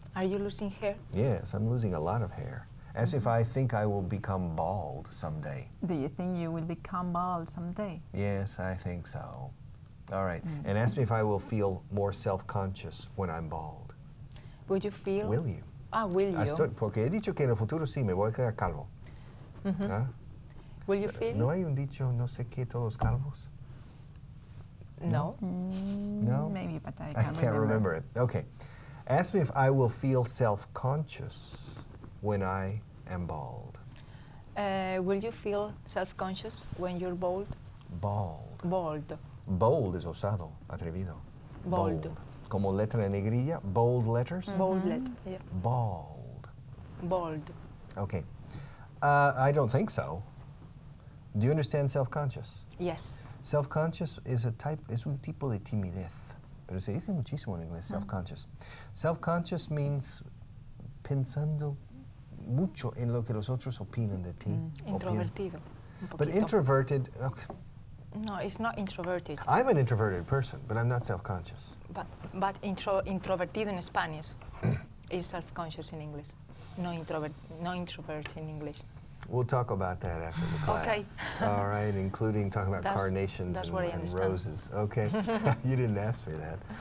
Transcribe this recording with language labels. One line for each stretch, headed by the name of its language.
English: Are you losing hair? Yes, I'm losing a lot of hair. As if I think I will become bald someday. Do you think you will become bald someday? Yes, I think so. All right, and ask me if I will feel more self-conscious when I'm bald. Would you feel? Will you? Ah, will you?
Spanish: Porque he dicho que en el futuro sí, me voy a quedar calvo.
English: Mm-hmm. Huh? Will you feel?
Spanish: ¿No hay un dicho, no sé qué, todos calvos?
English: No. No? Maybe, but I can't remember. I can't remember it. Okay. Ask me if I will feel self-conscious when I am bald. Will you feel self-conscious when you're bald? Bald. Bold. Bold is
Spanish: osado, atrevido.
English: Bold.
Spanish: Como letra en negrilla,
English: bold letters? Mm-hmm. Bold letter, yeah. Bald. Bold. Okay. I don't think so. Do you understand self-conscious? Yes. Self-conscious is a type,
Spanish: es un tipo de timidez. Pero se dice muchísimo en inglés, self-conscious.
English: Self-conscious means
Spanish: pensando mucho en lo que los otros opinan de ti. Introvertido.
English: But introverted, okay. No, it's not introverted. I'm an introverted person, but I'm not self-conscious. But
Spanish: introvertido
English: in Spanish is self-conscious in English. No introvert in English. We'll talk about that after the class. Okay. All right, including talking about carnations and roses. Okay. You didn't ask me that.